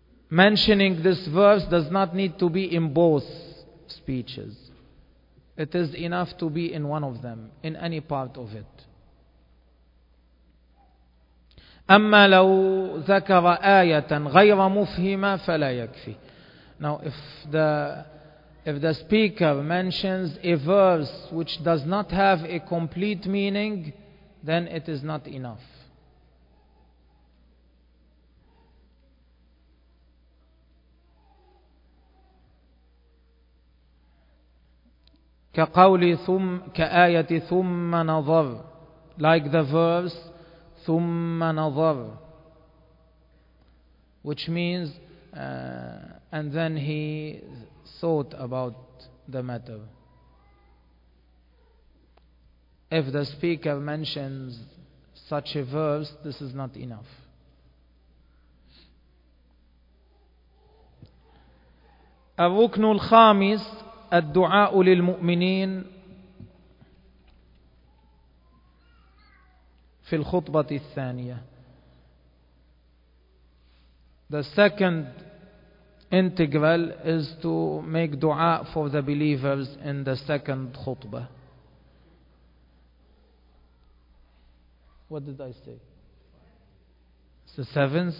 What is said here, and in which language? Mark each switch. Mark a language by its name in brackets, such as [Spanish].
[English] Mentioning this verse does not need to be in both speeches. It is enough to be in one of them, in any part of it. [Arabic] أما لو ذكر آية غير مفهمة فلا يكفي. [English] Now if the speaker mentions a verse which does not have a complete meaning, then it is not enough. [Arabic] كقولي ثم كآية ثم نظر. [English] Like the verse [Arabic] ثم نظر, [English] which means and then he thought about the matter. If the speaker mentions such a verse, this is not enough. [Arabic] الركن الخامس الدعاء للمؤمنين في الخطبة الثانية. [English] The second integral is to make dua for the believers in the second khutbah. What did I say? It's the seventh.